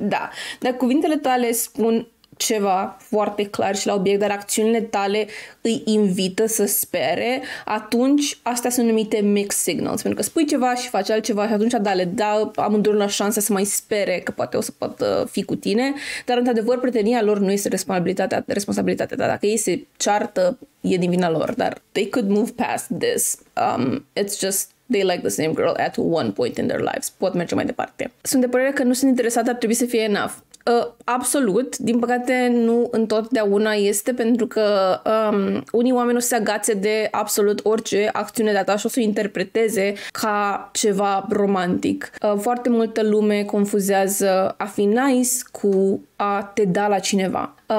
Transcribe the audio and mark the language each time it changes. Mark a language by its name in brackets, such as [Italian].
[Romanian] Da, dacă cuvintele tale spun ceva foarte clar și la obiect, dar acțiunile tale îi invită să spere, atunci astea sunt numite [English] mixed signals, [Romanian] pentru că spui ceva și faci altceva și atunci da, le da amândurilor la șansa să mai spere că poate o să poată fi cu tine, dar într-adevăr prietenia lor nu este responsabilitatea ta. Dacă ei se ceartă, e din vina lor, dar [English] they could move past this. It's just they like the same girl at one point in their lives. [Romanian] Pot merge mai departe. Sunt de părere că nu sunt interesat, ar trebui să fie enough. Absolut, din păcate nu întotdeauna este, pentru că unii oameni o să se agațe de absolut orice acțiune de-a ta și o să o interpreteze ca ceva romantic. Foarte multă lume confuzează a fi nice cu a te da la cineva.